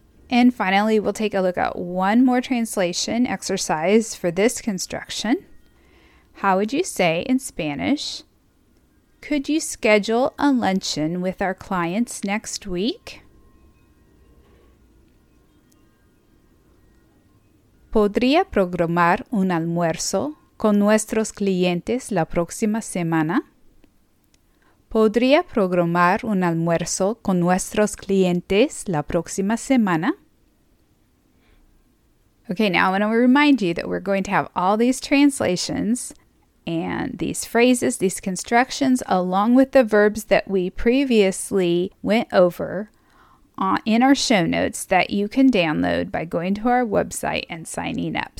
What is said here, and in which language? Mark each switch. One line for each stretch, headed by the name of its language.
English: And finally, we'll take a look at one more translation exercise for this construction. How would you say in Spanish, could you schedule a luncheon with our clients next week?
Spanish: ¿Podría programar un almuerzo con nuestros clientes la próxima semana? ¿Podría programar un almuerzo con nuestros clientes la próxima semana?
English: Okay, now I want to remind you that we're going to have all these translations and these phrases, these constructions, along with the verbs that we previously went over in our show notes that you can download by going to our website and signing up.